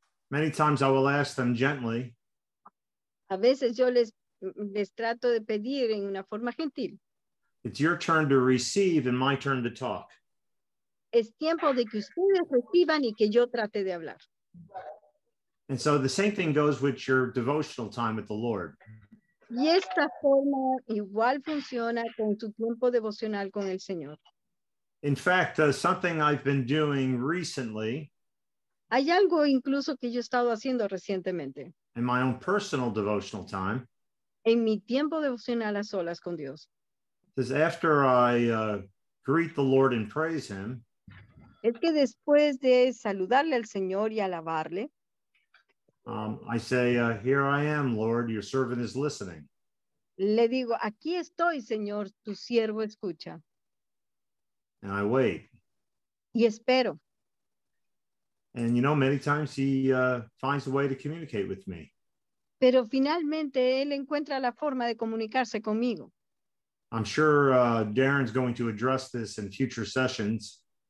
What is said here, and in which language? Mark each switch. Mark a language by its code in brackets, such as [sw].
[en] Many times I will ask them gently. [es] A veces yo les trato de pedir en una forma gentil. [en] It's your turn to receive and my turn to talk. [es] Es tiempo de que ustedes reciban y que yo trate de hablar. [en] And so the same thing goes with your devotional time with the Lord. [es] Y esta forma igual funciona con tu tiempo devocional con el Señor. [en] In fact, something I've been doing recently. [es] Hay algo incluso que yo he estado haciendo recientemente. [en] In my own personal devotional time. [es] En mi tiempo devocional a solas con Dios. [en] Is after I greet the Lord and praise him. [es] Es que después de saludarle al Señor y alabarle. [en] I say, here I am, Lord, your servant is listening. [es] Le digo, aquí estoy, Señor, tu siervo escucha. [en] And I wait. [es] Y espero. [en] And you know, many times he finds a way to communicate with me. [es] Pero finalmente él encuentra la forma de comunicarse conmigo. [en] I'm sure Darren's going to address this in future sessions.